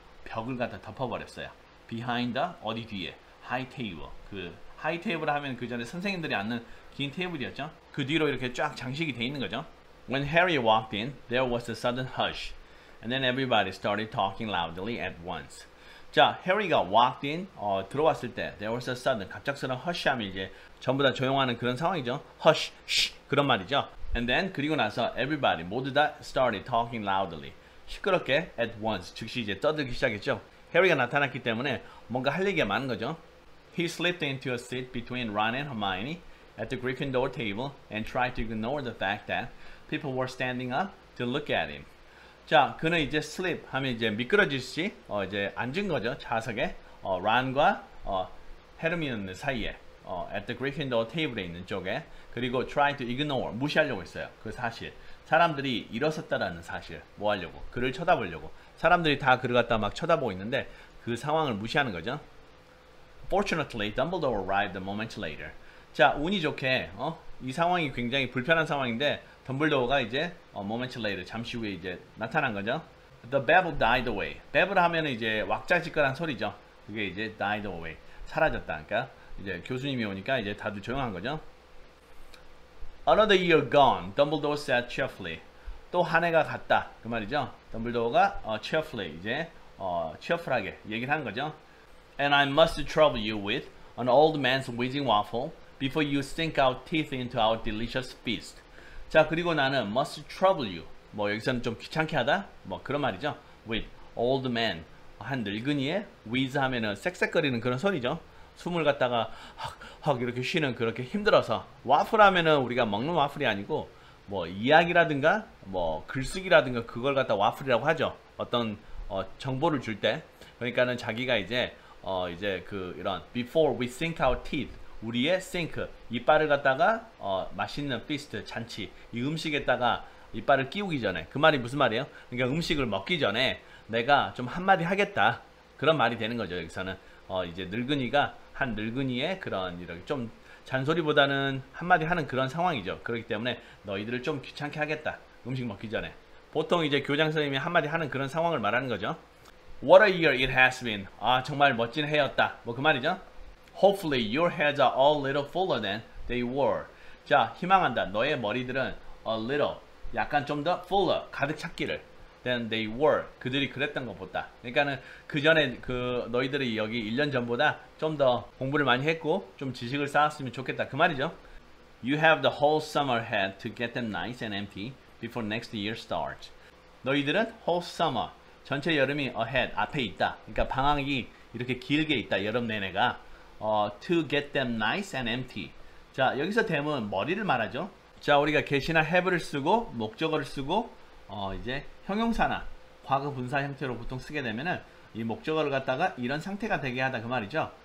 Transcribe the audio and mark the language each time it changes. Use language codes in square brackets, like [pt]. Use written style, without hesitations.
[ko] 벽을 갖다 덮어버렸어요. Behind, 어디 뒤에, high table. 그 high table 하면 그 전에 선생님들이 앉는 긴 테이블이었죠. 그 뒤로 이렇게 쫙 장식이 돼 있는 거죠. [en] When Harry walked in, there was a sudden hush. And then everybody started talking loudly at once. [ko] 자, Harry가 walked in, 들어왔을 때 there was a sudden, 갑작스러운 hush 하면 이제 전부 다 조용하는 그런 상황이죠. [en] Hush, shh, 그런 말이죠. And then, 그리고 나서 everybody, 모두 다 started talking loudly. [ko] 시끄럽게 at once, 즉시 이제 떠들기 시작했죠. Harry가 나타났기 때문에 뭔가 할 얘기가 많은 거죠. [en] He slipped into a seat between Ron and Hermione at the Gryffindor table and tried to ignore the fact that people were standing up to look at him. [ko] 자, 그는 이제 slip 하면 이제 미끄러지듯이 이제 앉은 거죠. 좌석에 Ron과 Hermione 사이에 at the Gryffindor table 에 있는 쪽에 그리고 try to ignore 무시하려고 했어요. 그 사실 사람들이 일어섰다라는 사실 뭐 하려고 그를 쳐다보려고 사람들이 다 그를 갖다 막 쳐다보고 있는데 그 상황을 무시하는 거죠. Fortunately, Dumbledore arrived a moment later. 자, 운이 좋게 이 상황이 굉장히 불편한 상황인데 덤블도어가 이제 moment later 잠시 후에 이제 나타난 거죠. [en] The babble died away. Babble 하면 이제 왁자지껄한 소리죠. [ko] 그게 이제 died away 사라졌다. 그러니까 이제 교수님이 오니까 이제 다들 조용한 거죠. [en] Another year gone. Dumbledore said cheerfully. 또 한 해가 갔다. 그 말이죠. [ko] 덤블도어가 cheerfully 이제 cheerful하게 얘기를 한 거죠. [en] And I must trouble you with an old man's wheezing waffle before you sink our teeth into our delicious feast. [ko] 자, 그리고 나는 must trouble you. 뭐 여기서는 좀 귀찮게 하다. 뭐 그런 말이죠. With old man. 한 늙은이의 wheeze 하면은 쌕쌕거리는 그런 소리죠. 숨을 갖다가 헉헉 이렇게 쉬는 그렇게 힘들어서 waffle 하면은 우리가 먹는 waffle이 아니고 뭐 이야기라든가 뭐 글쓰기라든가 그걸 갖다 waffle이라고 하죠. 어떤 정보를 줄 때. 그러니까는 자기가 이제 그 이런 before we sink our teeth 우리의 sink 이빨을 갖다가 맛있는 feast 잔치 이 음식에다가 이빨을 끼우기 전에 그 말이 무슨 말이에요? 그러니까 음식을 먹기 전에 내가 좀 한마디 하겠다 그런 말이 되는 거죠. 여기서는 이제 늙은이가 한 늙은이의 그런 이렇게 좀 잔소리보다는 한마디 하는 그런 상황이죠. 그렇기 때문에 너희들을 좀 귀찮게 하겠다 음식 먹기 전에 보통 이제 교장 선생님이 한마디 하는 그런 상황을 말하는 거죠. What a year it has been. 아, 정말 멋진 해였다. 뭐 그 말이죠? [en] Hopefully your heads are all a little fuller than they were. [ko] 자, 희망한다. 너의 머리들은 a little, 약간 좀 더 fuller, 가득 찼기를. than they were. 그들이 그랬던 것보다. 그러니까는 그 전에 그 너희들이 여기 1년 전보다 좀 더 공부를 많이 했고 좀 지식을 쌓았으면 좋겠다. 그 말이죠? [en] You have the whole summer ahead to get them nice and empty before next year starts. [ko] 너희들은 whole summer. 전체 여름이 ahead, 앞에 있다. 그러니까 방학이 이렇게 길게 있다. [en] 여름 내내가. To get them nice and empty. [ko] 자, 여기서 them은 머리를 말하죠. 자, 우리가 get이나 have를 쓰고 목적어를 쓰고 이제 형용사나 과거 분사 형태로 보통 쓰게 되면은 이 목적어를 갖다가 이런 상태가 되게 하다 그 말이죠.